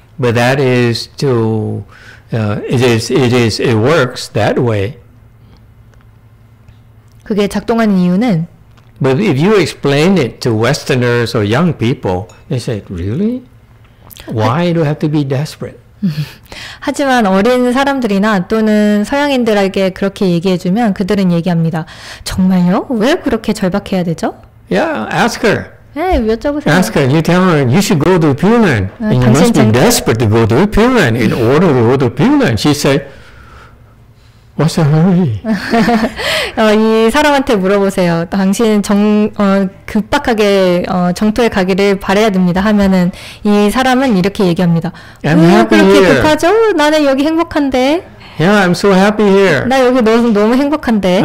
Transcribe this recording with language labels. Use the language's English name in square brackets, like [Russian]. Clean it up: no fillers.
[English] But that is to it works that way. [Korean] 그게 작동하는 이유는 [English] But if you explain it to Westerners or young people, they say, "Really? Why do I have to be desperate?" [Korean] 하지만 어린 사람들이나 또는 서양인들에게 그렇게 얘기해 주면 그들은 얘기합니다. 정말요? 왜 그렇게 절박해야 되죠? [English] Yeah, ask her. [Korean] 네, 여쭤보세요. [English] Ask her. You tell her you should go to Pure Land. And you must be desperate to go to Pure Land in order to go to Pure Land. She said, "What's the hurry?" [Korean] 이 사람한테 물어보세요. 당신 급박하게 정토에 가기를 바래야 됩니다. 하면은 이 사람은 이렇게 얘기합니다. [English] I'm happy here. [Korean] 급하죠? 나는 여기 행복한데. [English] Yeah, I'm so happy here. [Korean] 나 여기 너무 행복한데.